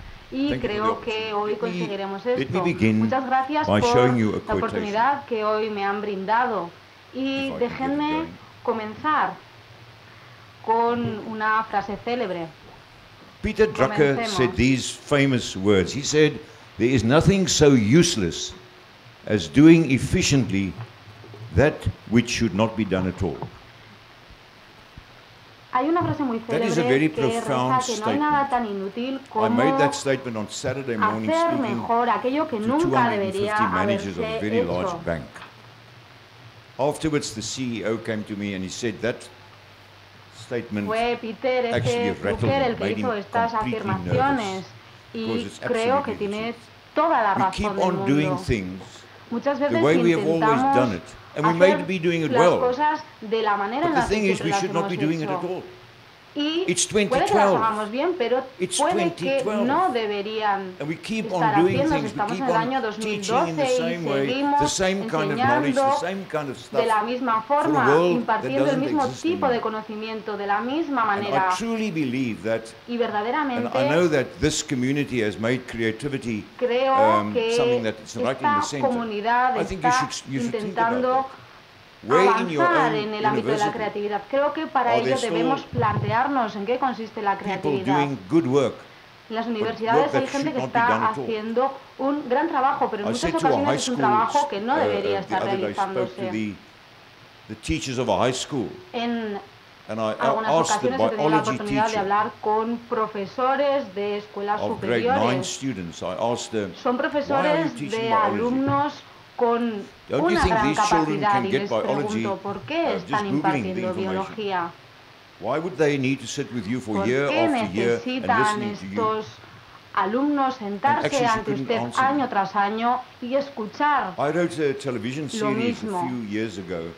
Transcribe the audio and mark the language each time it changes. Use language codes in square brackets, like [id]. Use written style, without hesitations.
[es] Y creo que hoy conseguiremos esto. Muchas gracias por la oportunidad que hoy me han brindado. Y déjenme comenzar con una frase célebre. [en] Peter Drucker said these famous words. He said, "There is nothing so useless as doing efficiently that which should not be done at all." [es] Hay una frase muy célebre que reza que no hay nada tan inútil como hacer mejor aquello que nunca debería haberse hecho. [en] Afterwards, the CEO came to me and he said that statement. [es] Fue Peter Drucker el que hizo estas afirmaciones y creo que tiene toda la razón del mundo. Muchas veces intentamos [en] and we may be doing it well. But the thing is, we should not be doing it at all. It's 2012. It's 2012. And we keep on doing things. We keep on teaching in the same way, the same kind of knowledge, the same kind of stuff. [es] De la misma forma, impartiendo el mismo tipo de conocimiento, de la misma manera. [en] I truly believe that. [es] Y verdaderamente. [en] And I know that this community has made creativity something that is right in the center. I think you should think about that. [es] Avanzar en el ámbito de la creatividad. Creo que para ello debemos plantearnos en qué consiste la creatividad. En las universidades hay gente que está haciendo un gran trabajo, pero en muchas ocasiones es un trabajo que no debería estar realizándose. [en] The teachers of a high school. [es] En algunas ocasiones he tenido la oportunidad de hablar con profesores de escuelas superiores. Son profesores de alumnos con [en] Don't [es] una [en] you think [es] gran [en] these children [es] capacidad [en] can get biology, [es] y les pregunto, ¿por qué están impartiendo biología? [en] Why would they need to sit with you for year after year and listening to you? [es] ¿Por qué necesitan estos alumnos sentarse ante usted año tras año y escuchar? [en] I wrote a television series a few years ago